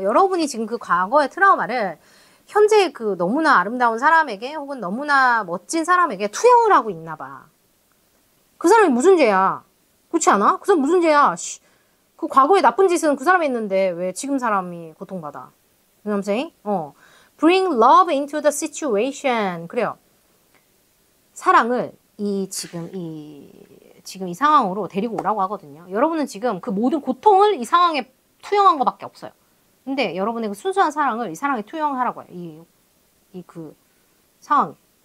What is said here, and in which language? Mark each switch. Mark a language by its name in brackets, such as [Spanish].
[Korean] 여러분이 지금 그 과거의 트라우마를 현재 그 너무나 아름다운 사람에게 혹은 너무나 멋진 사람에게 투영을 하고 있나 봐. 그 사람이 무슨 죄야? 그렇지 않아? 그 사람 무슨 죄야? 씨. 그 과거에 나쁜 짓은 그 사람이 했는데 왜 지금 사람이 고통받아? [English] You know what I'm saying? Bring love into the situation. [Korean] 그래요. 사랑을 지금 이 상황으로 데리고 오라고 하거든요. 여러분은 지금 그 모든 고통을 이 상황에 투영한 것밖에 없어요. 근데 여러분의 그 순수한 사랑을 이 사랑에 투영하라고요. 상황.